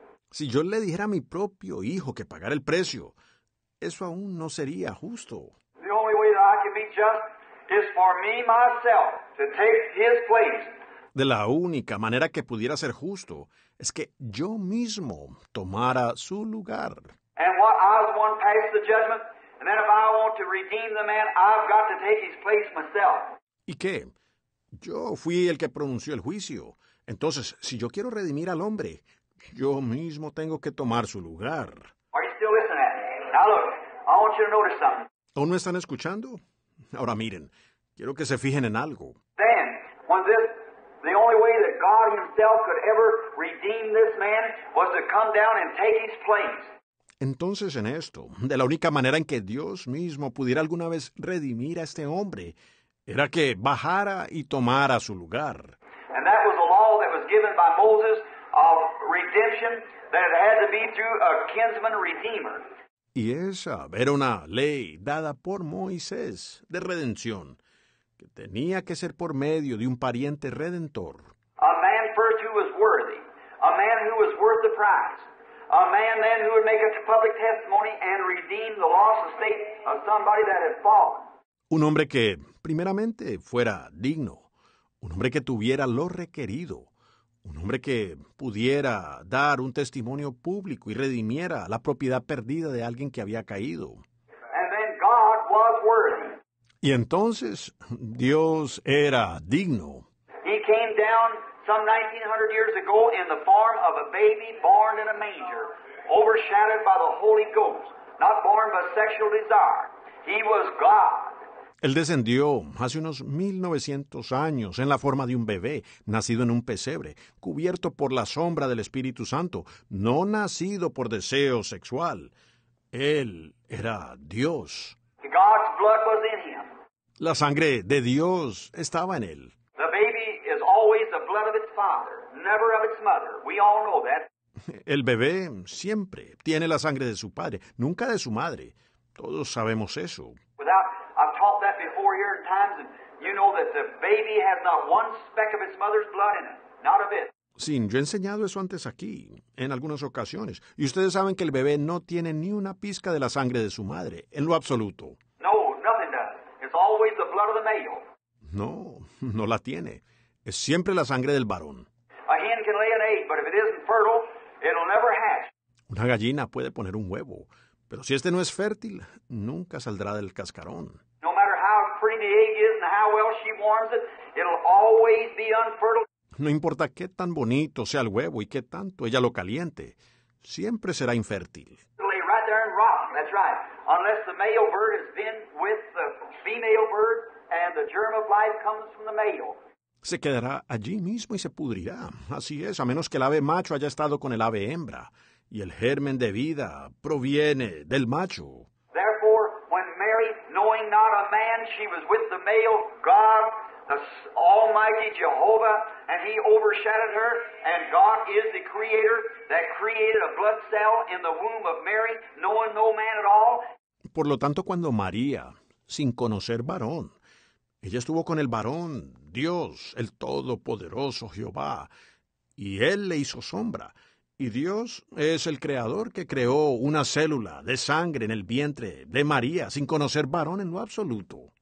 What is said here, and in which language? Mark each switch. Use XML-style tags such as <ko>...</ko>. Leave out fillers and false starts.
<es>Si yo le dijera a mi propio hijo que pagara el precio, eso aún no sería justo.</es> <en>The only way that I can be just is for me myself to take his place.</en> <es>De la única manera que pudiera ser justo es que yo mismo tomara su lugar.</es> <en>And what I was the one passed the judgment, and then if I want to redeem the man, I've got to take his place myself.</en> <es>¿Y qué? Yo fui el que pronunció el juicio. Entonces, si yo quiero redimir al hombre, yo mismo tengo que tomar su lugar.</es> <en>Are you still listening? Now look, I want you to notice something.</en> <es>¿O no están escuchando? Ahora miren, quiero que se fijen en algo.</es> <en>Then, when this, the only way that God himself could ever redeem this man was to come down and take his place.</en> <es>Entonces en esto, de la única manera en que Dios mismo pudiera alguna vez redimir a este hombre, era que bajara y tomara su lugar.</es> <en>And that was the law that was given by Moses of redemption, that it had to be through a kinsman redeemer.</en> <es>Y esa era una ley dada por Moisés de redención, que tenía que ser por medio de un pariente redentor.</es> <en>A man first who was worthy, a man who was worth the price, a man then who would make a public testimony and redeem the lost estate of somebody that had fallen.</en> <es>Un hombre que primeramente fuera digno, un hombre que tuviera lo requerido, un hombre que pudiera dar un testimonio público y redimiera la propiedad perdida de alguien que había caído.</es> <en>And then God was worthy.</en> <es>Y entonces Dios era digno.</es> <en>He came down some 1900 years ago in the form of a baby born in a manger, overshadowed by the Holy Ghost, not born by sexual desire. He was God.</en> <es>Él descendió hace unos 1900 años en la forma de un bebé, nacido en un pesebre, cubierto por la sombra del Espíritu Santo, no nacido por deseo sexual. Él era Dios.</es> <en>God's blood was in him.</en> <es>La sangre de Dios estaba en él.</es> <en>The baby is always the blood of its father, never of its mother. We all know that.</en> <es>El bebé siempre tiene la sangre de su padre, nunca de su madre. Todos sabemos eso.</es> <en>I've taught that before here at times, and you know that the baby has not one speck of its mother's blood in it, not a bit.</en> <es>Sí, yo he enseñado eso antes aquí, en algunas ocasiones, y ustedes saben que el bebé no tiene ni una pizca de la sangre de su madre, en lo absoluto.</es> <en>No, nothing does. It's always the blood of the male.</en> <es>No, no la tiene. Es siempre la sangre del varón.</es> <en>A hen can lay an egg, but if it isn't fertile, it'll never hatch.</en> <es>Una gallina puede poner un huevo. Pero si este no es fértil, nunca saldrá del cascarón.</es> <en>No matter how pretty the egg is and how well she warms it, it'll always be unfertile.</en> <es>No importa qué tan bonito sea el huevo y qué tanto ella lo caliente, siempre será infértil.</es> <en>It'll lay right there and rot, that's right. Unless the male bird has been with the female bird and the germ of life comes from the male.</en> <es>se quedará allí mismo y se pudrirá. Así es, a menos que el ave macho haya estado con el ave hembra, y el germen de vida proviene del macho.</es> <en>Therefore, when Mary, knowing not a man, she was with the male, God, the Almighty Jehovah, and he overshadowed her, and God is the creator that created a blood cell in the womb of Mary, knowing no man at all.</en> <es>Por lo tanto, cuando María, sin conocer varón, ella estuvo con el varón, Dios, el Todopoderoso Jehová, y él le hizo sombra. Y Dios es el creador que creó una célula de sangre en el vientre de María, sin conocer varón en lo absoluto.</es>